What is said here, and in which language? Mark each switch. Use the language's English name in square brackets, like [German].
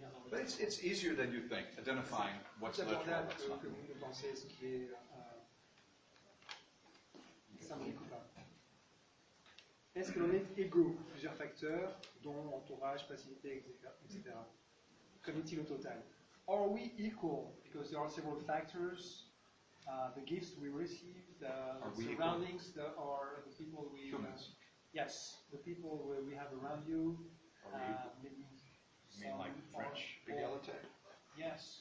[English] But it's easier than you think, identifying what's literal, what's not. [French] Est-ce que l'on est égaux, plusieurs facteurs, dont entourage, facilité, etc. [English] Community [French] au total. [English] Are we equal? Because there are several factors, the gifts we receive, the are surroundings, that are the people we... Humans. Yes, the people we have around you. Are we equal? Maybe you mean like French, égalité? Yes.